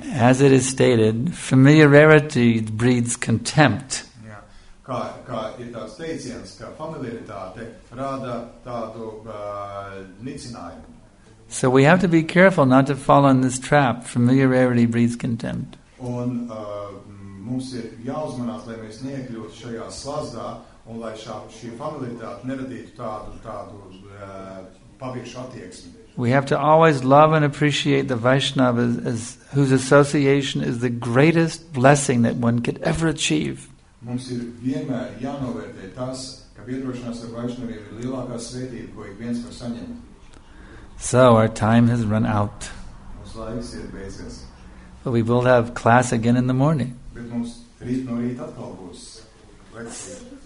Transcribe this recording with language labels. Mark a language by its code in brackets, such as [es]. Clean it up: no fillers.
[en] As it is stated, familiarity breeds contempt. [lv] Kā ir tāds teiciens, ka familiaritāte rada tādu nicinājumu. [en] So we have to be careful not to fall in this trap. Familiarity breeds contempt. [lv] Un mums ir jāuzmanās, lai mēs neiekļūtu šajā slazdā un lai šī familiaritāte neradītu tādu paviršu attieksmi. [en] We have to always love and appreciate the Vaishnavas whose association is the greatest blessing that one could ever achieve. [lv] Mums ir vienmēr jānovērtē tas, ka biedrošanās ar Vaishnaviem ir lielākā svētība, ko ik viens var saņemt. [en] So our time has run out. [lv] Mums laiks ir beidzies. [en] But we will have class again in the morning. [lv] Bet mums rīt no rīta atkal būs lekcija.